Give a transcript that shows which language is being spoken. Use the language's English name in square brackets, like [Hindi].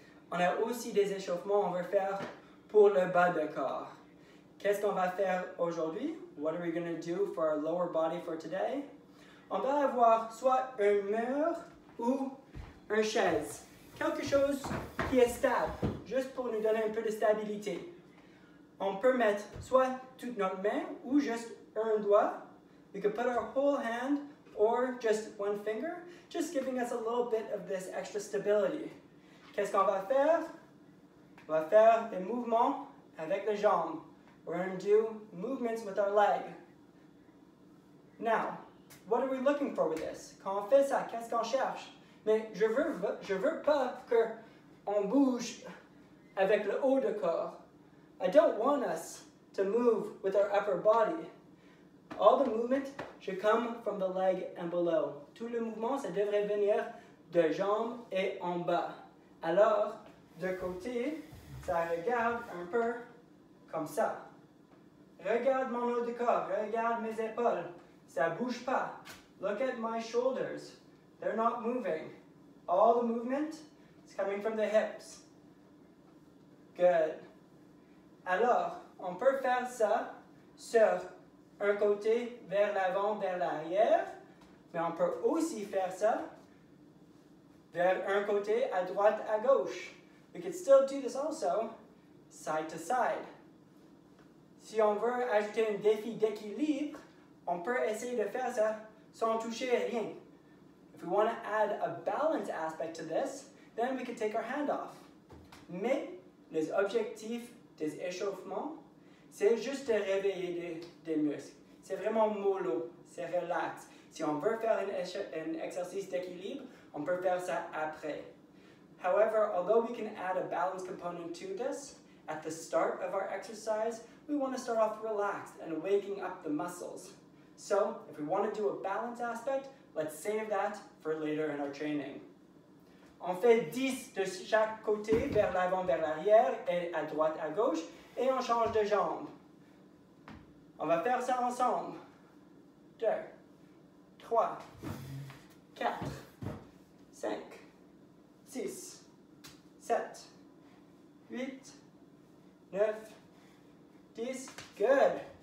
[French] On a aussi des échauffements on veut faire pour le bas de corps. Qu'est-ce qu'on va faire aujourd'hui? [English] What are we going to do for our lower body for today? [French] On va avoir soit un mur ou une chaise. Quelque chose qui est stable, juste pour nous donner un peu de stabilité. On peut mettre soit toute notre main ou juste un doigt. [English] We could put our whole hand or just one finger, just giving us a little bit of this extra stability. [French] Qu'est-ce qu'on va faire? On va faire des mouvements avec les jambes. [English] We're going to do movements with our leg. Now, what are we looking for with this? [French] Quand on fait ça, qu'est-ce qu'on cherche? Mais je veux pas qu'on bouge avec le haut de corps. [English] I don't want us to move with our upper body. All the movement should come from the leg and below. [French] Tout le mouvement, ça devrait venir de jambes et en bas. Alors, de côté, ça regarde un peu comme ça. Regarde mon haut de corps, regarde mes épaules. Ça bouge pas. [English] Look at my shoulders. They're not moving. All the movement is coming from the hips. Good. [French] Alors, on peut faire ça sur un côté vers l'avant, vers l'arrière, mais on peut aussi faire ça vers un côté à droite, à gauche. [English] We could still do this also side to side. [French] Si on veut ajouter un défi d'équilibre, on peut essayer de faire ça sans toucher rien. [English] If we want to add a balance aspect to this, then we could take our hand off. [French] Mais les objectifs des échauffements, c'est juste de réveiller des muscles. C'est vraiment mollo, c'est relax. Si on veut faire un exercice d'équilibre, on peut faire ça après. [English] However, although we can add a balance component to this, at the start of our exercise, we want to start off relaxed and waking up the muscles. So, if we want to do a balance aspect, let's save that for later in our training. [French] On fait 10 de chaque côté, vers l'avant, vers l'arrière, et à droite, à gauche, et on change de jambe. On va faire ça ensemble. 2, 3, 4, 5, 6, 7, 8, 9, 10. Good.